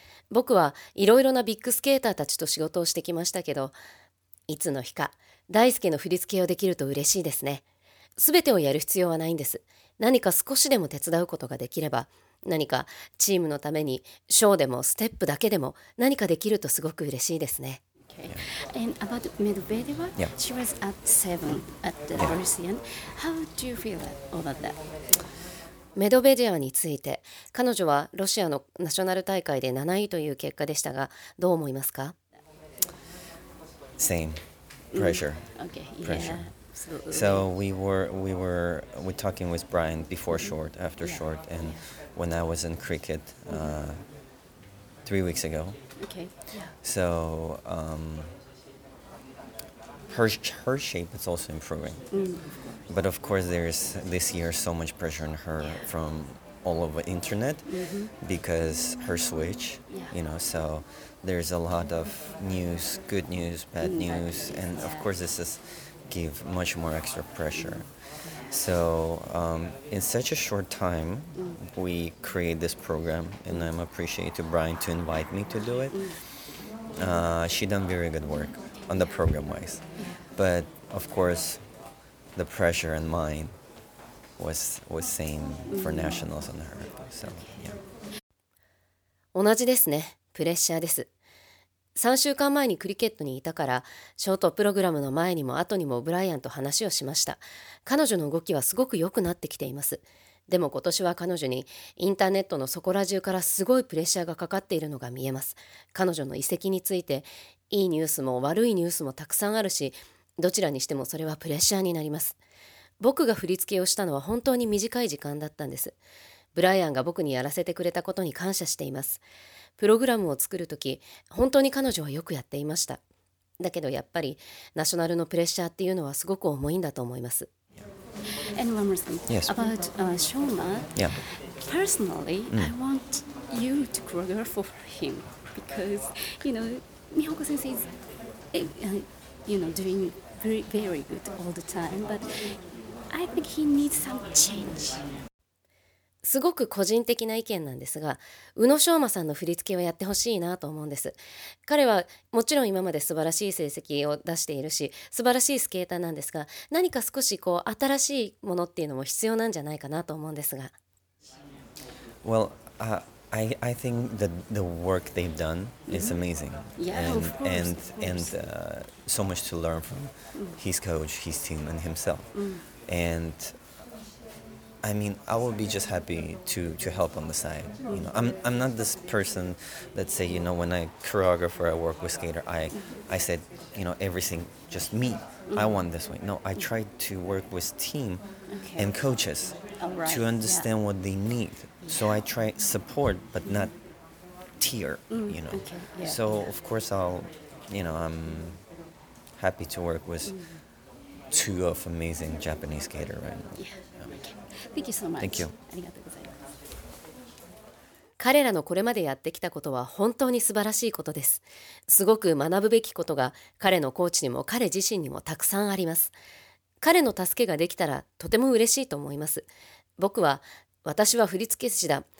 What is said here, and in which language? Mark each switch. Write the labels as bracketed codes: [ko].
[ja] 僕はいろいろなビッグスケーターたちと仕事をしてきましたけど、いつの日か大輔の振り付けをできると嬉しいですね。すべてをやる必要はないんです。何か少しでも手伝うことができれば、何かチームのためにショーでもステップだけでも何かできるとすごく嬉しいですね。 [en] Okay. And about Medvedeva, she was at 7 at the Russian. How do you feel about that? [ja] メドベデワについて、彼女はロシアのナショナル大会で7位という結果でしたが、どう思いますか? [en] Same. Pressure. Okay. Pressure. Yeah. So we were talking with Brian before short, after short, and when I was in cricket 3 weeks ago. Okay. Yeah. So her shape is also improving. But of course, there's this year so much pressure on her from all over the internet because her switch, you know, so there's a lot of news, good news, bad news, and of course this is give much more extra pressure. So in such a short time, we create this program, and I'm appreciative to Brian to invite me to do it. She done very good work on the program-wise. But of course, the pressure in mine was same for nationals on her. So, yeah. [ja] 同じですね。プレッシャーです。 3週間前にクリケットにいたから、ショートプログラムの前にも後にもブライアンと話をしました。彼女の動きはすごく良くなってきています。でも今年は彼女にインターネットのそこら中からすごいプレッシャーがかかっているのが見えます。彼女の移籍について、いいニュースも悪いニュースもたくさんあるし、どちらにしてもそれはプレッシャーになります。僕が振り付けをしたのは本当に短い時間だったんです。ブライアンが僕にやらせてくれたことに感謝しています。プログラムを作るとき、本当に彼女はよくやっていました。だけどやっぱり、ナショナルのプレッシャーっていうのはすごく重いんだと思います。 [en] And one more thing. Yes. About Shoma. Yeah. Personally, I want you to choreograph for him. Because, you know, Mihoko-sensei is, you know, doing very, very good all the time. But I think he needs some change. [ja] すごく個人的な意見なんですが、宇野昌磨さんの振り付けをやってほしいなと思うんです。彼はもちろん今まで素晴らしい成績を出しているし、素晴らしいスケーターなんですが、何か少しこう新しいものっていうのも必要なんじゃないかなと思うんですが。 [en] Well, I think that the work they've done is amazing. Yeah, and, of course. And so much to learn from his coach, his team, and himself. And... I mean, I would be just happy to help on the side. You know, I'm not this person that say, you know, when I choreographer, I work with skater, I said, you know, everything, just me, I want this way. No, I tried to work with team and coaches to understand what they need. So I try support, but not tear, you know. Okay. Yeah. So, of course, I'll, you know, I'm happy to work with two of amazing Japanese skaters right now. Yeah. Thank you so much. Thank you. [ja] ありがとうございます。彼らのこれまでやってきたことは本当に素晴らしいことです。すごく学ぶべきことが彼のコーチにも彼自身にもたくさんあります。彼の助けができたらとても嬉しいと思います。僕は、私は振付師だ。